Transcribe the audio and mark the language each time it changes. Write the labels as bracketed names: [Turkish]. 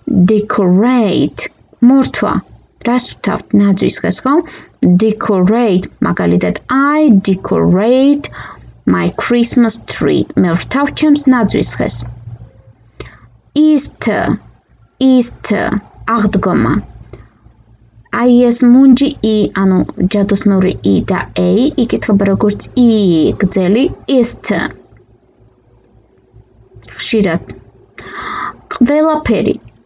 [Georgian] Decorate მორთვა. Რას ვთავთ ნაძვისღეს, ხო? [English] Decorate, მაგალითად, I decorate my Christmas tree. [Georgian] მე ვრთავ ჩემს ნაძვისღეს. Easter აღდგომა. აი ეს მუნჯი ი, ანუ ჯადოსნური ი და ე, იკითხება როგორც ი გძელი. Easter ხშირად. ყველაფერი.